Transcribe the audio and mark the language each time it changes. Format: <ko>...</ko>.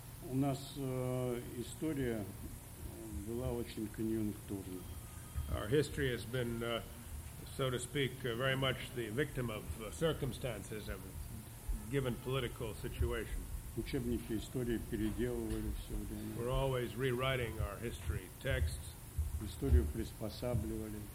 <ru>У нас история была очень конъюнктурна.</ru> <en>Our history has been, so to speak, very much the victim of circumstances of given political situation.</en> <ru>Учебники истории переделывали все время.</ru> <en>We're always rewriting our history texts.</en> <ru>Историю приспосабливали.</ru>